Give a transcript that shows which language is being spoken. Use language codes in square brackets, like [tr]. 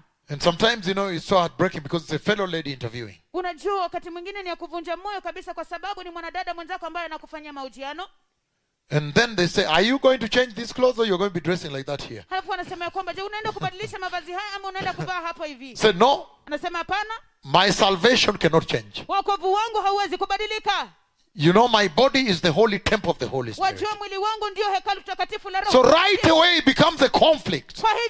[en] And sometimes, you know, it's so heartbreaking because it's a fellow lady interviewing. [sw] Unajua wakati mwingine ni ya kuvunja moyo kabisa kwa sababu ni mwanadada mwenzako ambaye anakufanyia mahojiano. [en] And then they say, are you going to change these clothes or you're going to be dressing like that here? [sw] Halafu anasema kwamba je unaenda kubadilisha mavazi haya ama unaenda kuvaa hapa hivi? [en] Say no. [sw] Anasema hapana. [en] My salvation cannot change. [sw] Wokovu wangu hauwezi kubadilika. [en] You know, my body is the holy temple of the Holy Spirit. So right away, it becomes a conflict.